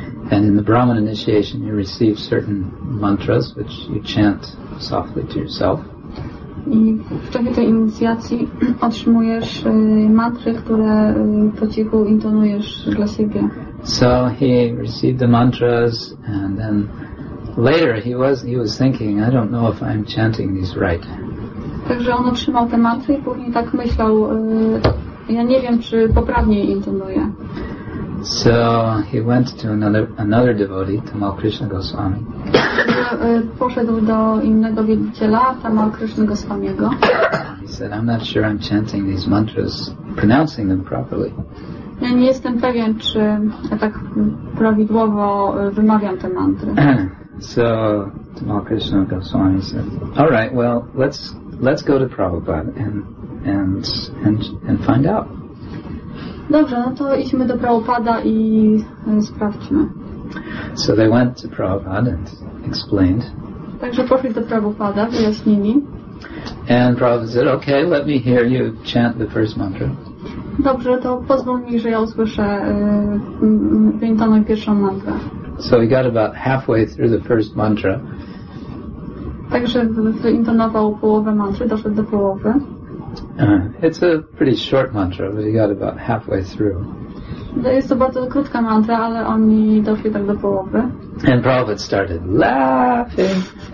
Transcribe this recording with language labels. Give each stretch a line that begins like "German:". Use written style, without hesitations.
English: And in the Brahman initiation, you receive certain mantras which you chant softly to yourself.
Polish: I w czasie tej inicjacji otrzymujesz mantry, które po cichu intonujesz dla siebie.
English: So he received the mantras, and then later he was thinking, I don't know if I'm chanting these right.
Polish: Także on otrzymał te mantry i później tak myślał, ja nie wiem, czy poprawnie intonuję.
English: So he went to another devotee, Tamal Krishna Goswami.
Polish: Poszedł do innego wielbiciela, Tamal Krishna Goswamiego.
English: He said, I'm not sure I'm chanting these mantras, pronouncing them properly.
Polish: Ja nie jestem pewien, czy ja tak prawidłowo wymawiam te mantry.
English: So Mal Krishna Goswami said, "All right, well, let's go to Prabhupada and find out."
Polish: Dobrze, no to idźmy do Prabhupada i sprawdźmy.
English: So they went to Prabhupada and explained.
Polish: Także poszli do Prabhupada, wyjaśnili.
English: And Prabhupada said, "Okay, let me hear you chant the first mantra."
Polish: Dobrze, to pozwól mi, że ja usłyszę wyjętaną pierwszą mantrę.
English: So he got about halfway through the first mantra.
Polish: Także wyintonował połowę mantry, doszedł do połowy.
English: It's a pretty short mantra, but he got about halfway through.
Polish: Jest to bardzo krótka mantra, ale on mi doszli tak do połowy.
English: And Prabhupada started laughing.